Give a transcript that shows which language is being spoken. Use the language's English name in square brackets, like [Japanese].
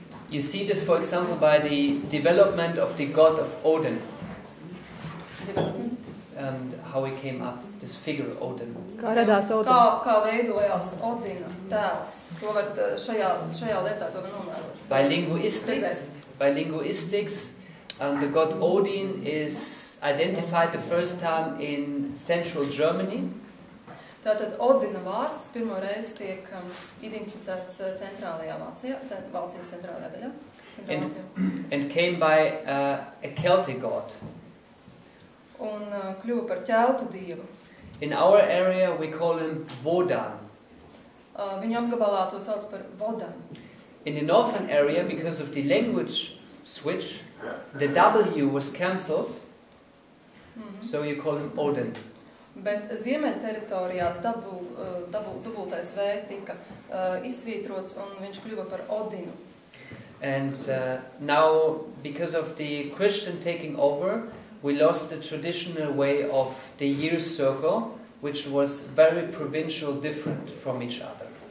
[English] You see this, for example, by the development of the god of Odin. Development. And how he came up, this figure Odin. [Latvian] Kā radās Odins? Kā veidojās Odina tēls? To var šajā lietā to var nomērot. [English] By linguistics, the god Odin is identified the first time in central Germany. [Latvian] Tātad Odina vārds pirmo reizi tiek identificēts centrālajā Vācijā, Vācijas centrālajā daļā. [English] And came by a Celtic god. [Latvian] Un kļuva par ķeltu dievu. [English] In our area we call him Vodan. [Latvian] Viņu apgabalā to sauc par Vodan. [English] In the northern area, because of the language switch, the W was cancelled, so you call him Odin. [Latvian] Bet ziemeļu teritorijās dubultais V tika izsvītrots, un viņš kļuva par Odinu. [English] And now, because of the Christian taking over, we lost the traditional way of the year circle, which was very provincial different from each other.